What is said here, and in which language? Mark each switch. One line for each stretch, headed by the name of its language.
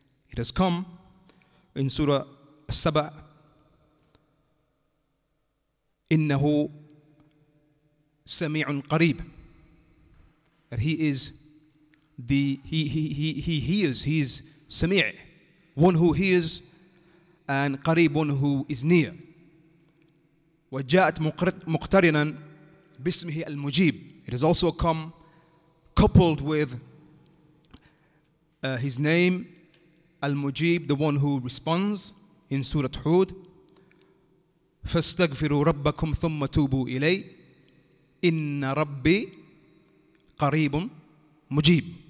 English: It has come in Surah Al-Saba'
Arabic: إنه سميع قريب.
English: That he hears, سميع, one who hears, and قريب, one who is near.
Arabic: وجاءت مقترنا باسمه المجيب.
English: It has also come coupled with his name, المجيب, the one who responds, in Surah Hud.
Arabic: فَاسْتَغْفِرُوا رَبَّكُمْ ثُمَّ تُوبُوا إِلَيْهِ إِنَّ رَبِّي قَرِيبٌ مُجِيبٌ.